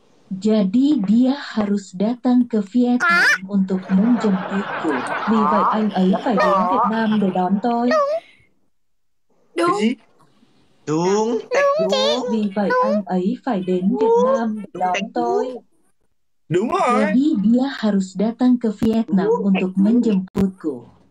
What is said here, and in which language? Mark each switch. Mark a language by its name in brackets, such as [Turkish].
[Indonesian] Jadi dia harus datang ke Vietnam untuk menjemputku. [Vietnamese] Vì vậy anh ấy phải đến Việt Nam để đón tôi. Đúng. Đúng. Đúng, đúng. Vì vậy anh ấy phải đến Việt Nam để đón tôi. Đúng rồi. [Indonesian] Jadi dia harus datang ke Vietnam untuk menjemputku.